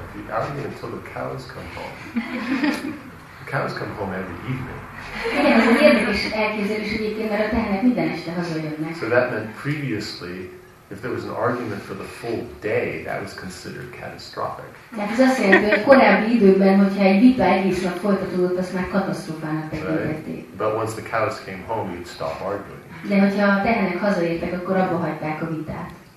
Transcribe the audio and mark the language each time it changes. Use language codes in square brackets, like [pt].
[en] If you argue until the cows come home. The cows come home every evening. [hu] Igen, ez egy érdekes elképzelés egyébként, mert a tehenek minden este hazajönnek. [en] So that meant previously, if there was an argument for the full day, that was considered catastrophic. [hu] Tehát ez azt jelenti, hogy korábbi időben, hogyha egy vita egész nap folytatódott, azt már katasztrófának tekintették. [en] Right? But once the cows came home, you'd stop arguing. [hu] De hogyha a tehenek hazaértek, akkor abba hagyták a vitát.